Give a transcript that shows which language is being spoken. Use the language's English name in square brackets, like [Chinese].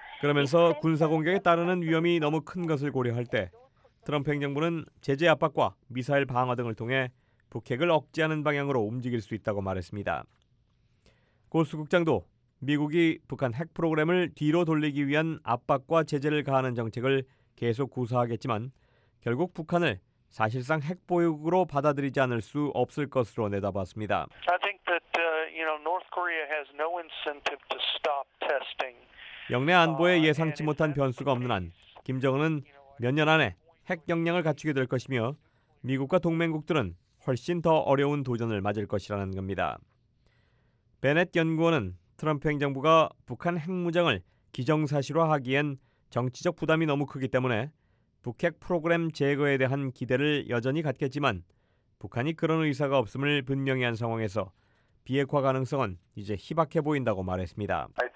[Korean] 그러면서 군사 공격에 따르는 위험이 너무 큰 것을 고려할 때 트럼프 행정부는 제재 압박과 미사일 방어 등을 통해 북핵을 억제하는 방향으로 움직일 수 있다고 말했습니다. 고스 국장도 미국이 북한 핵 프로그램을 뒤로 돌리기 위한 압박과 제재를 가하는 정책을 계속 구사하겠지만 결국 북한을 사실상 핵 보유국으로 받아들이지 않을 수 없을 것으로 내다봤습니다. [English] I think that North Korea has no incentive to stop testing. [Korean] 영내 안보에 예상치 못한 변수가 없는 한 김정은은 몇 년 안에 핵 역량을 갖추게 될 것이며 미국과 동맹국들은 훨씬 더 어려운 도전을 맞을 것이라는 겁니다. 베넷 연구원은 트럼프 행정부가 북한 핵무장을 기정사실화하기엔 정치적 부담이 너무 크기 때문에 북핵 프로그램 제거에 대한 기대를 여전히 갖겠지만 북한이 그런 의사가 없음을 분명히 한 상황에서 비핵화 가능성은 이제 희박해 보인다고 말했습니다.